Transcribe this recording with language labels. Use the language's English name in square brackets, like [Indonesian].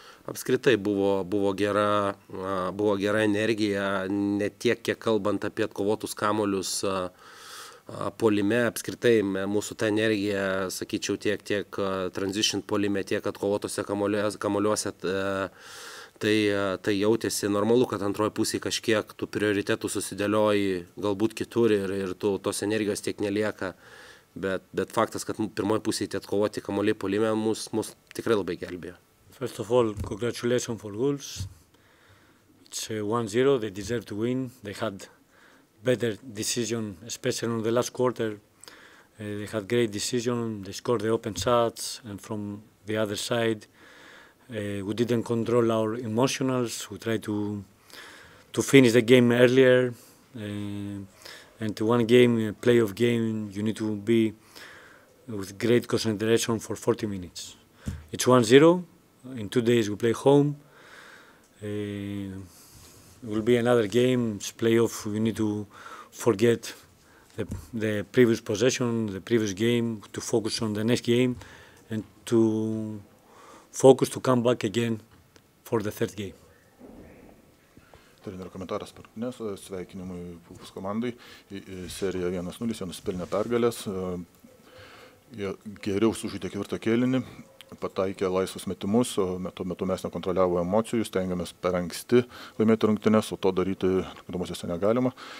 [Lithuanian] Apskritai buvo gera energija, ne tiek, kiek kalbant apie atkovotus kamuolius, polime apskritai mūsų ta energija, sakyčiau, tiek transition polime, tiek atkovotose kamuoliuose, tai jautėsi normalu, kad antroji pusė kažkiek tų prioritetų susidėlioji galbūt kitur ir tu tos energijos tiek nelieka, bet faktas, kad pirmoji pusė tie atkovoti kamuoliai polime mus tikrai labai gelbėjo. [English] First of all, congratulations for goals. It's 1-0, they deserve to win, they had better decision, especially on the last quarter. They had great decision, they scored the open shots, and from the other side, we didn't control our emotionals, we tried to finish the game earlier, and to one game, a playoff game, you need to be with great concentration for 40 minutes. It's 1-0, in 2 days we play home, it will be another game, it's playoff, we need to forget the previous possession, the previous game, to focus on the next game and to focus to come back again for the third game. [Lithuanian] Turime ir komentaras per kūnes, sveikinimui Pulkus komandai, serija 1-0, jie nusipelnė pergalės. Jie geriau sužaidė ketvirtą kėlinį, pataikė laisvus metimus, o tuo metu mes nekontroliavo emocijų, stengiamės per anksti laimėti rungtynes, o to daryti rungtynėse negalima.